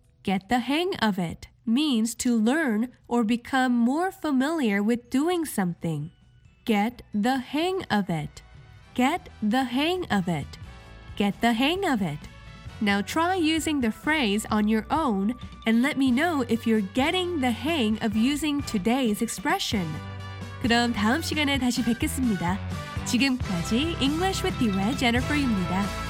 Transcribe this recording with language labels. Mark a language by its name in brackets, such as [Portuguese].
[English] Get the hang of it means to learn or become more familiar with doing something. Get the hang of it. Get the hang of it. Get the hang of it. Now try using the phrase on your own and let me know if you're getting the hang of using today's expression. [Korean] 그럼 다음 시간에 다시 뵙겠습니다. 지금까지 English with you의 Jennifer입니다.